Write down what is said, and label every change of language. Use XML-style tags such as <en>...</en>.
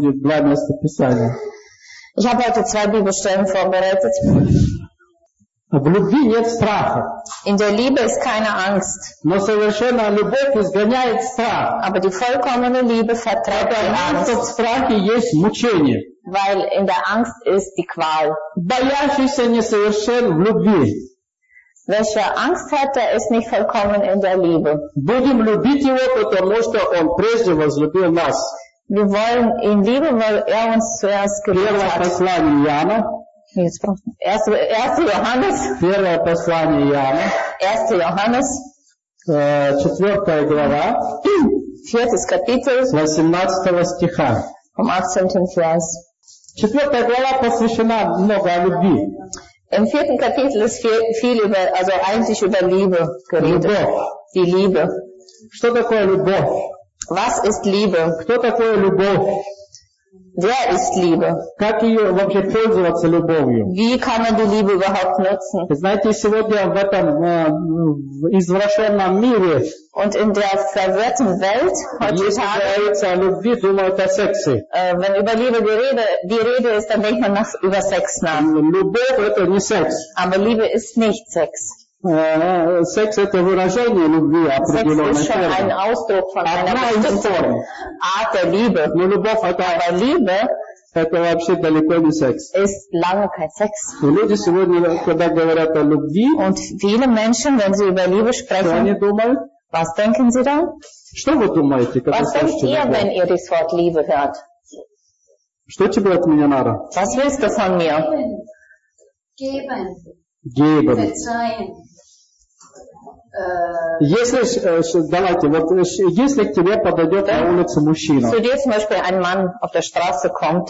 <de>Ich habe heute zwei Bibelstellen vorbereitet.</de> <ru>В любви нет страха.</ru> <de>In der Liebe ist keine Angst.</de> <ru>Но совершенная любовь изгоняет страх.</ru> <de>Aber die vollkommene Liebe vertreibt die Angst.</de> <ru>В страхе есть мучение.</ru> <de>Weil in der Angst ist die Qual.</de> <ru>Боящийся несовершен в любви.</ru> <de>Welcher Angst hat, der ist nicht vollkommen in der Liebe.</de> <ru>Будем любить его, потому что он прежде возлюбил нас.</ru> <de>Wir wollen ihn lieben, weil er uns zuerst geliebt hat. Erste Johannes.</de> <ru>Четвертая глава.</ru> <de>Viertes Kapitel.</de> <ru>18 стиха.</ru> <de>Vom 18. Vers.</de> <ru>Четвертая глава посвящена много любви.</ru> <de>Im vierten Kapitel ist viel über, also eigentlich über Liebe geredet.</de> <ru>Любовь.</ru> <de>Die Liebe.</de> <ru>Что такое любовь?</ru> <de>Was ist Liebe?</de> <ru>Кто такой любовь?</ru> <de>Wer ist Liebe?</de> <ru>Как ее вообще пользоваться любовью?</ru> <de>Wie kann man die Liebe überhaupt nutzen?</de> <ru>Знаете, сегодня в этом извращенном мире.</ru> <de>Und in der verwirrten Welt heutzutage. Wenn über Liebe die Rede ist, dann denkt man nach über Sex nach.</de> <ru>Любовь это не секс.</ru> <de>Aber Liebe ist nicht Sex. Sex ist schon ein Ausdruck von einer Art der Liebe. Aber Liebe ist lange kein Sex. Und viele Menschen, wenn sie über Liebe sprechen, was denken sie dann? Was denkt ihr, wenn ihr das Wort Liebe hört? Was willst du von mir? Geben. Verzeihen.</de> <ru>Если, давайте, вот, если к тебе подойдет на улице мужчина,</ru> <de>so, dir zum Beispiel ein Mann auf der Straße kommt,</de>